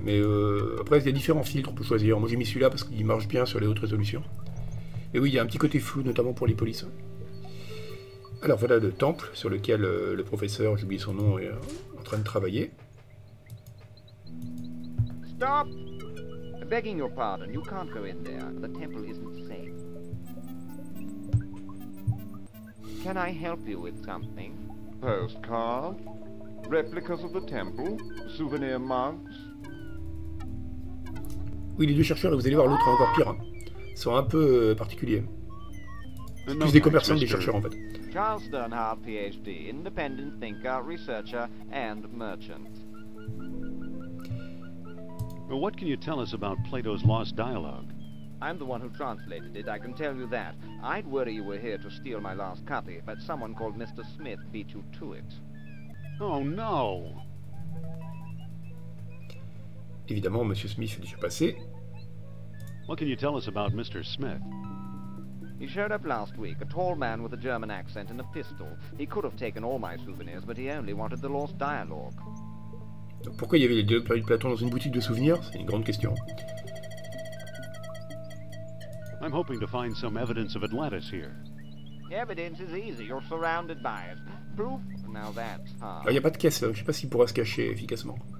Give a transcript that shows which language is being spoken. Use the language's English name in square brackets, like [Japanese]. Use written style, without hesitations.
[French] Mais après, il y a différents filtres qu'on peut choisir. Moi, j'ai mis celui-là parce qu'il marche bien sur les hautes résolutions. Et oui, il y a un petit côté flou, notamment pour les polices. Alors voilà le temple sur lequel le professeur, j'oublie son nom, est en train de travailler. [English] Stop! I'm begging your pardon, you can't go in there. The temple isn't safe. Can I help you with something? Postcard? Replicas of the temple? Souvenir mugs? [French] Oui, les deux chercheurs, et vous allez voir l'autre encore pire. Hein. Sont un peu particuliers. C'est plus des commerçants que des chercheurs, en fait. [English] Charles Sternhardt, PhD, independent thinker, researcher, and merchant. Well, what can you tell us about Plato's lost dialogue? I'm the one who translated it, I can tell you that. I'd worry you were here to steal my last copy, but someone called Mr. Smith beat you to it. Oh, no! [French] Évidemment, Monsieur Smith est déjà passé. [English] What can you tell us about Mr. Smith? He showed up last week, a tall man with a German accent and a pistol. He could have taken all my souvenirs, but he only wanted the lost dialogue. [French] Pourquoi il y avait les dialogues perdus de Platon dans une boutique de souvenirs? C'est une grande question. [English] I'm hoping to find some evidence of Atlantis here. Evidence is easy, you're surrounded by it. Proof? Now that's hard. [French] Alors, il n'y a pas de caisse là, je ne sais pas s'il pourra se cacher efficacement.